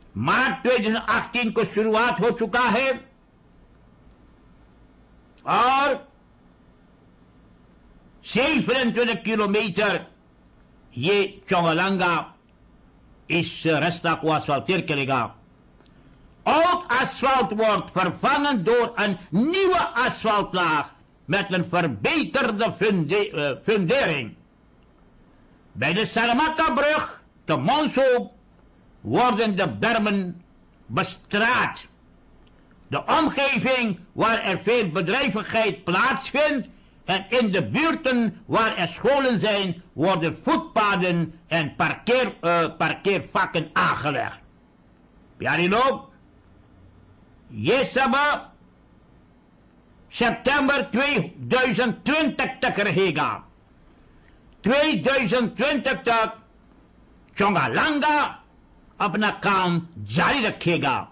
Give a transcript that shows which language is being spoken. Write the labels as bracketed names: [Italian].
[Hindi] मार्च 2018 को शुरुआत हो चुका है और सेफ रन 20 किलोमीटर ये चौंगालंगा इस रास्ता को असफल्टेड करेगा। [Dutch] Old asfalt wordt vervangen door een nieuwe asfaltlaag met een verbeterde fundering. Bij de Saramatta-brug te Monsoop worden de bermen bestraat. De omgeving waar er veel bedrijvigheid plaatsvindt en in de buurten waar er scholen zijn, worden voetpaden en parkeervakken aangelegd. Pjari loop. [Hindi] ये सब September 2020 तक रहेगा। 2020 तक चौंगालंगा अपना काम जारी रखेगा।